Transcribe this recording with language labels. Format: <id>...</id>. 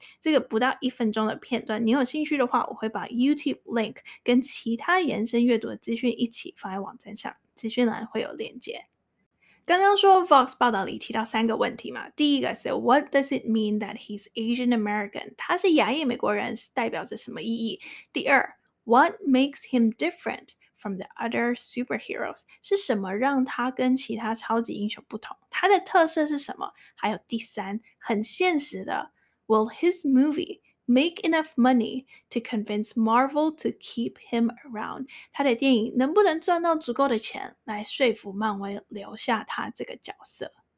<zh>这个不到一分钟的片段，你有兴趣的话，我会把 YouTube link 跟其他延伸阅读的资讯一起放在网站上，资讯栏会有连结。刚刚说 Vox 报道里提到三个问题嘛，第一个是</zh> <en>What does it mean that he's Asian American?</en> <zh>他是亚裔美国人代表着什么意义？</zh> <en>第二 What makes him different from the other superheroes?</en> <zh>是什么让他跟其他超级英雄不同？他的特色是什么？还有第三，很现实的，</zh> <en>Will his movie make enough money to convince Marvel to keep him around.</en> <zh>他的电影能不能赚到足够的钱来说服漫威留下他这个角色。</zh>